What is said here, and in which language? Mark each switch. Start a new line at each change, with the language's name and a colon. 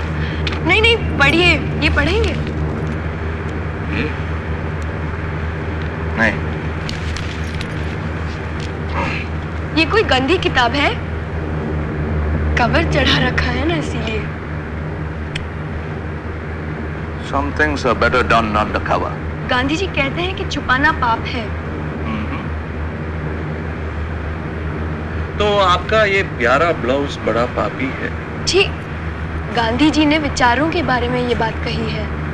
Hindi: नहीं नहीं, पढ़िए, ये पढ़ेंगे। नहीं, ये कोई गंदी किताब है, कवर चढ़ा रखा है ना इसीलिए।
English: Some things are better done on the cover.
Hindi: Gandhi ji कहते हैं कि छुपाना पाप है। तो आपका ये प्यारा ब्लाउज बड़ा पापी है जी। गांधी जी ने विचारों के बारे में ये बात कही है।